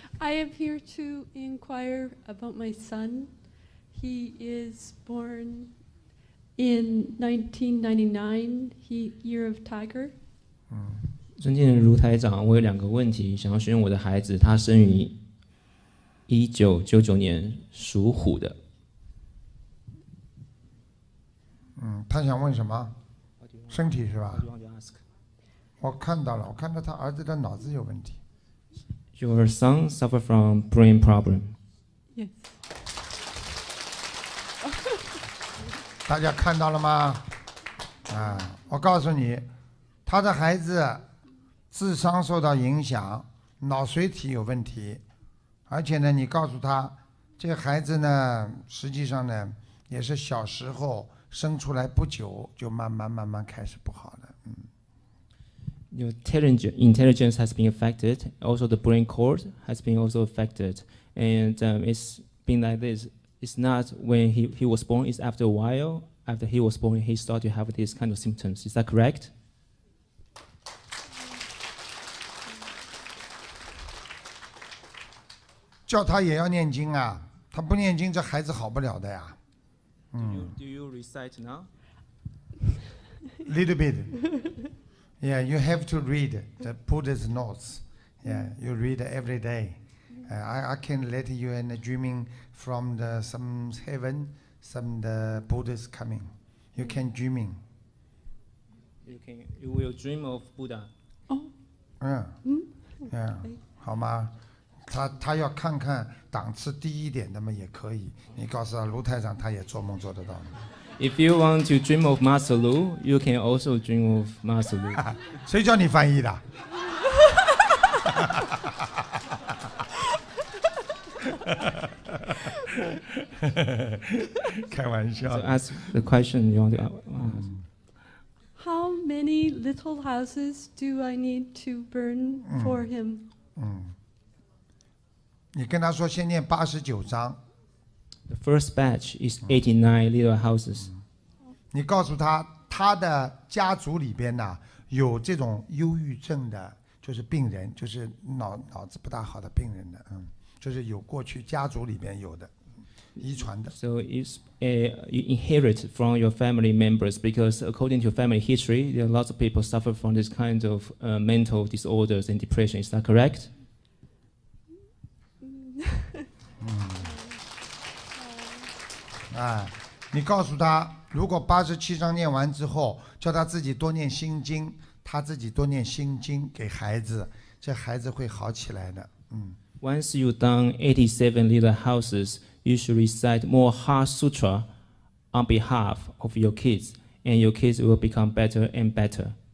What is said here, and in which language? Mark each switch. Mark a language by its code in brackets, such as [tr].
[en] I am here to inquire about my son. He is born in 1999, Year of Tiger. [zh] 尊敬的卢台长，我有两个问题想要询问我的孩子。他生于1999年，属虎的。他想问什么？身体是吧？我看到了，我看到他儿子的脑子有问题。 [en] Your son suffer from brain problem. Yes. [zh] 大家看到了吗？我告诉你，他的孩子智商受到影响，脑髓体有问题，而且呢，你告诉他，这孩子呢，实际上呢，也是小时候生出来不久就慢慢开始不好了。 [en] Your intelligence has been affected. Also, the brain cord has been also affected. And it's been like this. It's not when he was born, it's after a while. After he was born, he started to have these kind of symptoms. Is that correct? Tell him to pray. If he doesn't pray, this child will not be good. Do you recite now? Little bit. Yeah, you have to read the Buddha's notes. Yeah, you read every day. I can let you in a dreaming from the some heaven, some the Buddha's coming. You can dreaming. You will dream of Buddha. Oh. Yeah. Yeah. [zh] 好吗？他要看看档次低一点的嘛也可以。你告诉他卢台长，他也做梦做得到。 [en] If you want to dream of Master Lu, you can also dream of Master Lu. [zh] 谁叫你翻译的？开玩笑。 [en] So ask the question you want to ask. How many little houses do I need to burn for him? [zh] 你跟他说先念89章。 [en] The first batch is 89 little houses. [zh] 你告诉他，他的家族里边呢有这种忧郁症的，就是病人，就是脑子不大好的病人的，就是有过去家族里边有的，遗传的。 [en] So it's you inherit from your family members because according to family history, there are lots of people suffer from this kind of mental disorders and depression. Is that correct? [zh] 你告诉他，如果87章念完之后，叫他自己多念心经，他自己多念心经给孩子，这孩子会好起来的。 [en] Once you've done 87 little houses, you should recite more heart sutra on behalf of your kids, and your kids will become better and better.